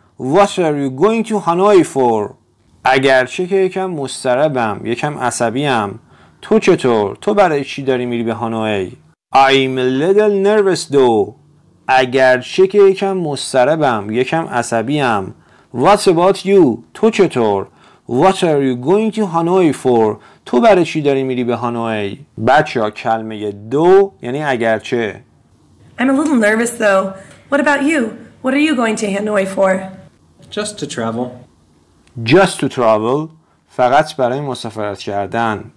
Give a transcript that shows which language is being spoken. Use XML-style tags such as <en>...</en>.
<en>What are you going to Hanoi for?</en> <fa>اگرچه که یکم مضطربم، یکم عصبیم. تو چطور؟ تو برای چی داری میری به هانوی؟</fa> <en>I'm a little nervous though.</en> <fa>اگرچه که یکم مضطربم، یکم عصبیم.</fa> <en>What about you?</en> <fa>تو چطور؟</fa> <en>What are you going to Hanoi for?</en> <fa>تو برای چی داری میری به هانوی؟ بچه‌ها کلمه دو یعنی اگرچه.</fa> <en>I'm a little nervous though. What about you? What are you going to Hanoi for? Just to travel. Just to travel.</en> <fa>فقط برای مسافرت کردن.</fa>